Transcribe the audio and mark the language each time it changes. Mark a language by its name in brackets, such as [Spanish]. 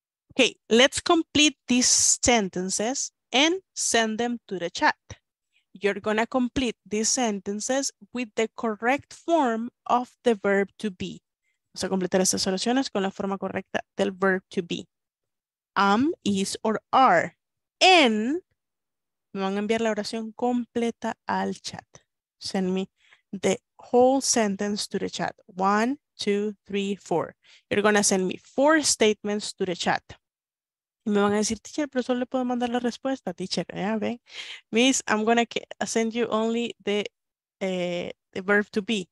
[English] Okay, let's complete these sentences and send them to the chat. You're going to complete these sentences with the correct form of the verb to be. [Spanish] Vamos a completar estas oraciones con la forma correcta del verb to be. [English] Am, is, or are. And [Spanish] me van a enviar la oración completa al chat. [English] Send me the whole sentence to the chat. One, 1, 2, 3, 4. You're going to send me 4 statements to the chat. [Spanish] Y me van a decir, teacher, pero solo le puedo mandar la respuesta, teacher. Ya, ven. [English] Miss, I'm going to send you only the verb to be.